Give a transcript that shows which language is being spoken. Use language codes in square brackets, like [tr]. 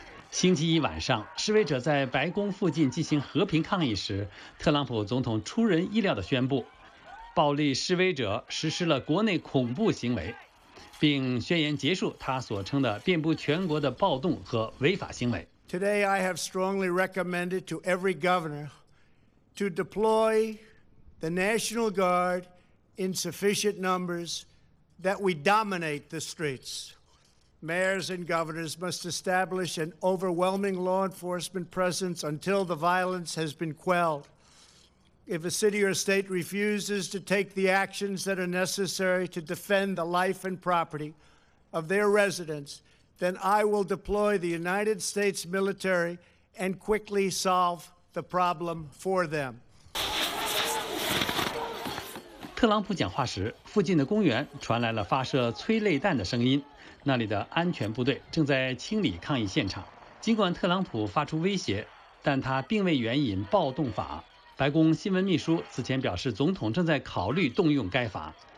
[zh] 星期一晚上，示威者在白宫附近进行和平抗议时，特朗普总统出人意料地宣布，暴力示威者实施了国内恐怖行为，并宣言结束他所称的遍布全国的暴动和违法行为。 [en] Today, I have strongly recommended to every governor to deploy the National Guard in sufficient numbers that we dominate the streets. Mayors and governors must establish an overwhelming law enforcement presence until the violence has been quelled. If a city or state refuses to take the actions that are necessary to defend the life and property of their residents, then I will deploy the United States military and quickly solve the problem for them. [zh] 特朗普讲话时，附近的公园传来了发射催泪弹的声音，那里的安全部队正在清理抗议现场。尽管特朗普发出威胁，但他并未援引暴动法。白宫新闻秘书此前表示，总统正在考虑动用该法。